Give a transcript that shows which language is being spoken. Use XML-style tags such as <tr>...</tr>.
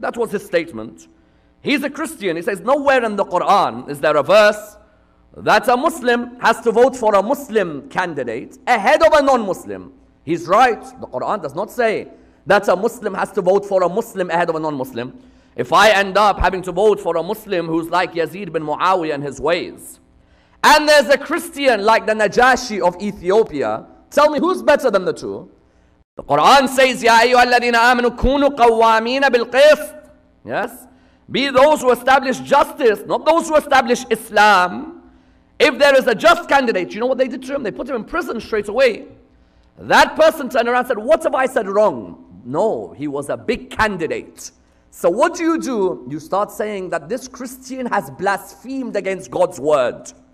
<en>That was his statement. He's a Christian. He says nowhere in the Quran is there a verse that a Muslim has to vote for a Muslim candidate ahead of a non-Muslim. He's right. The Quran does not say that a Muslim has to vote for a Muslim ahead of a non-Muslim. If I end up having to vote for a Muslim who's like Yazid bin Muawiyah and his ways, and there's a Christian like the Najashi of Ethiopia, tell me who's better than the two? The Quran says,</en> <ar>يَا أَيُّهَا الَّذِينَ آمَنُوا كُونُوا قَوَّامِينَ بِالْقِسْطِ.</ar> <en>Yes? Be those who establish justice, not those who establish Islam. If there is a just candidate, you know what they did to him? They put him in prison straight away. That person turned around and said, what have I said wrong? No, he was a big candidate. So what do? You start saying that this Christian has blasphemed against God's word.</en>